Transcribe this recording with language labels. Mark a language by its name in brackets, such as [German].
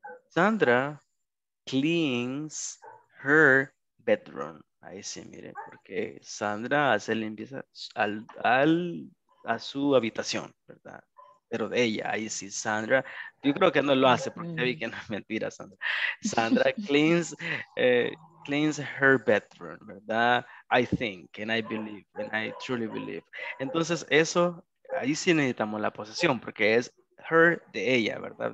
[English] Sandra cleans her bedroom. [Spanish] Ahí sí, mire, porque Sandra hace limpieza a su habitación, ¿verdad? Pero de ella, ahí sí, Sandra, yo creo que no lo hace, porque vi que no es mentira, Sandra. [English] Sandra cleans her bedroom, [Spanish] ¿verdad? [English] I think, and I believe, and I truly believe. [Spanish] Entonces, eso, ahí sí necesitamos la posesión, porque es her de ella, ¿verdad?